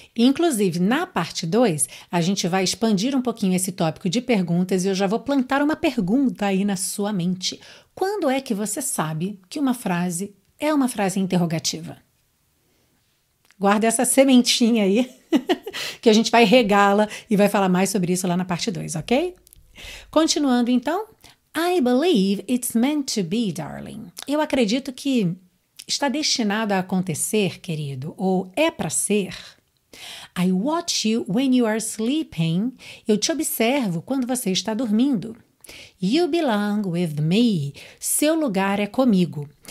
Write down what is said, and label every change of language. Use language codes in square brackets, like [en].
[pt] Inclusive, na parte 2, a gente vai expandir um pouquinho esse tópico de perguntas e eu já vou plantar uma pergunta aí na sua mente. Quando é que você sabe que uma frase é uma frase interrogativa? Guarda essa sementinha aí, que a gente vai regá-la e vai falar mais sobre isso lá na parte 2, ok? Continuando então, [en] I believe it's meant to be, darling. [pt] Eu acredito que está destinado a acontecer, querido, ou é para ser. [en] I watch you when you are sleeping. [pt] Eu te observo quando você está dormindo. [en] You belong with me. [pt] Seu lugar é comigo.